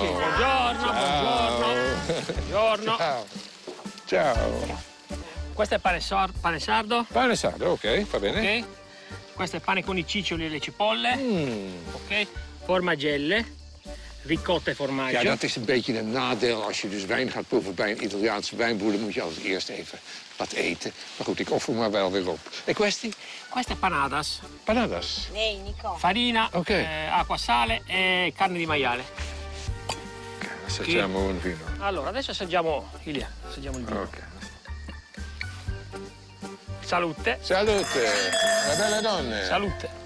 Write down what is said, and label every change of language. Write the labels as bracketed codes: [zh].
[it] Sì. Buongiorno, ciao. Buongiorno. Buongiorno. Ciao. Ciao. Questo è pane sardo. Pane sardo, ok, va bene. Ok. Questo è pane con i ciccioli e le cipolle, ok? Formagelle, ricotta e formaggio. [nl] Ja, dat is een beetje een nadeel als je dus wijn gaat proeven bij een Italiaanse wijnboer, dan moet je als eerst even wat eten. Maar goed, ik offer maar wel weer op. [it] E questi? Questo è panadas. Panadas? [nl] Nee, Nico. [it] Farina, okay. Acqua, sale e carne di maiale. Okay, assaggiamo un vino. Allora, adesso assaggiamo, Ilia, assaggiamo il vino. Ok. Salute. Salute. Una bella donna. Salute.